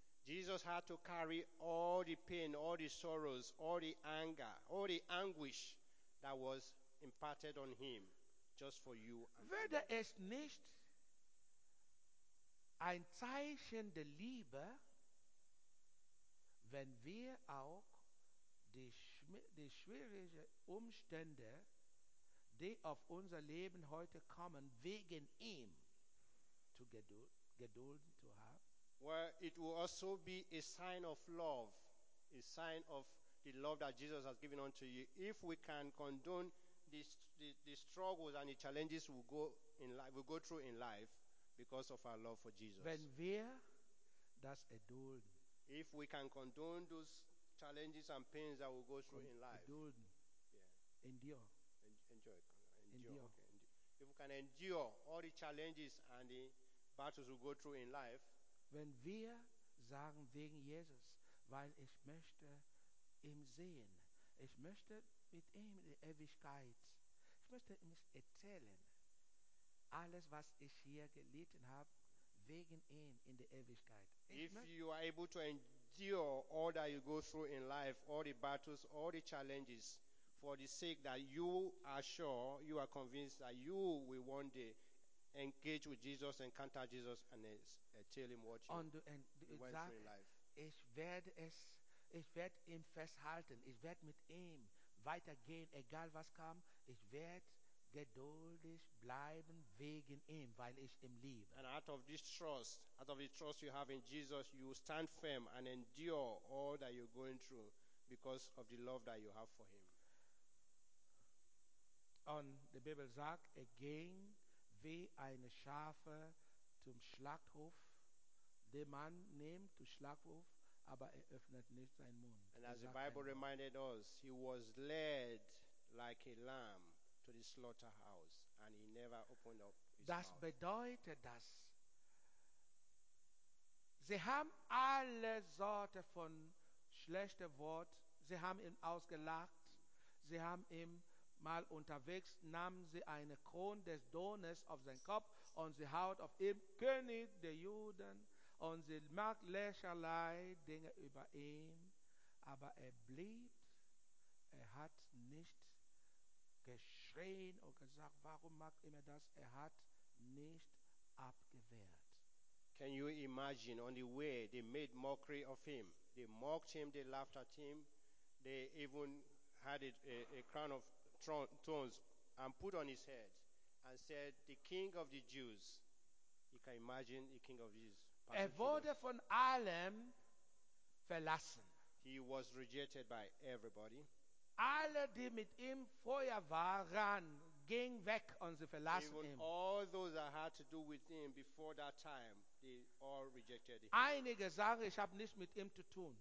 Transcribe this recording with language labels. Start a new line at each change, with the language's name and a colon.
English: Jesus had to carry all the pain, all the sorrows, all the anger, all the anguish that was imparted on him just for you.
German: Würde es nicht ein Zeichen der Liebe, wenn wir auch die schwierigen Umstände, die auf unser Leben heute kommen, wegen ihm zu gedulden zu haben?
English: Well, it will also be a sign of love, a sign of the love that Jesus has given unto you. If we can condone the struggles and the challenges we go through in life because of our love for Jesus.
German: Wenn wir das erdulden.
English: If we can condone those challenges and pains that we go through in life.
German: Erdulden.
English: Yeah. Endure. Enjoy. Endure. If we can endure all the challenges and the battles we go through in life.
German: Wenn wir sagen wegen Jesus, weil ich möchte ihn sehen, ich möchte mit ihm die Ewigkeit, ich möchte ihm erzählen, alles was ich hier gelitten habe, wegen ihm in der Ewigkeit.
English: If you are able to endure all that you go through in life, all the battles, all the challenges, for the sake that you are sure, you are convinced that you will one day engage with Jesus, encounter Jesus, and tell him what you went through in life.
German: Ich werde ihn festhalten. Ich werde mit ihm weitergehen, egal was kam. Ich werde geduldig bleiben wegen ihm, weil ich ihn liebe.
English: And out of this trust, out of the trust you have in Jesus, you stand firm and endure all that you're going through because of the love that you have for him.
German: Und die Bibel sagt,
English: again,
German: wie eine Schafe zum Schlachthof, den Mann nimmt zum Schlachthof, aber öffnet nicht seinen Mund.
English: And as the Bible reminded us, he was led like a lamb to the slaughterhouse and he never opened up his mouth.
German: Das bedeutet, dass sie haben alle Sorte von schlechten Wort, sie haben ihn ausgelacht, sie haben ihm mal unterwegs nahm sie eine Krone des Dornes auf seinen Kopf und sie haut auf ihm, König der Juden, und sie macht lächerlei Dinge über ihn, aber er blieb, er hat nicht geschrien und gesagt, warum macht immer das, er hat nicht abgewehrt.
English: Can you imagine on the way they made mockery of him? They mocked him, they laughed at him, they even had a crown of thorns and put on his head and said, the king of the Jews. You can imagine the king of the Jews.
German: Er wurde von allem verlassen.
English: He was rejected by everybody.
German: Alle, die mit ihm vorher waren, ging weg und sie verlassen
English: even
German: ihn.
English: All those that had to do with him before that time, they all rejected him.
German: Einige sagen, ich habe nichts mit ihm zu tun.